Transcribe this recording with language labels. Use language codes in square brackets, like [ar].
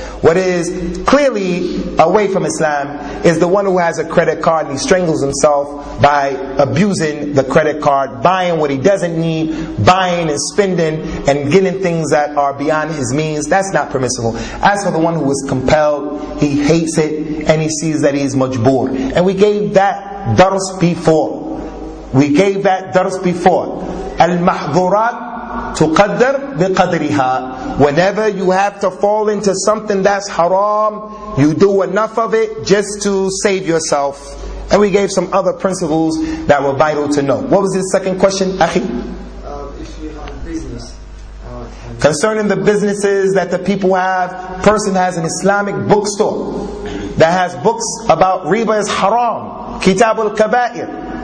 [en] What is clearly away from Islam is the one who has a credit card and he strangles himself by abusing the credit card, buying what he doesn't need, buying and spending and getting things that are beyond his means. That's not permissible. As for the one who is compelled, he hates it and he sees that he is majboor. And we gave that dars before. We gave that dars before. [ar] Al-mahdurat تقدر بقدرها. [en] Whenever you have to fall into something that's haram, you do enough of it just to save yourself. And we gave some other principles that were vital to know. What was the second question, Akhi? If you have a business, concerning the businesses that the people have, person has an Islamic bookstore that has books about riba is haram, Kitab al-Kaba'ir.